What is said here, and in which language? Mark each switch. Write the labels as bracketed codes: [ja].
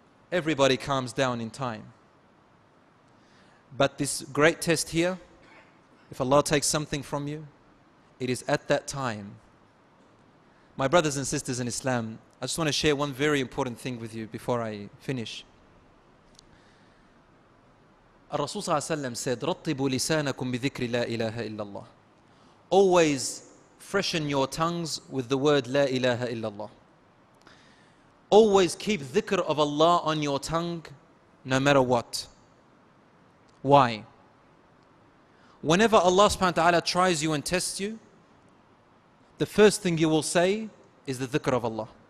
[en] Everybody calms down in time. But this great test here, if Allah takes something from you, it is at that time. My brothers and sisters in Islam, I just want to share one very important thing with you before I finish. Rasul said, [ar] رَطِّبُوا لِسَانَكُمْ بِذِكْرِ لَا إِلَهَ إِلَّا اللَّهِ. [en] Always freshen your tongues with the word [ar] لا إله إلا الله. [en] Always keep dhikr of Allah on your tongue no matter what. Why? Whenever Allah subhanahu wa ta'ala tries you and tests you, the first thing you will say is the dhikr of Allah.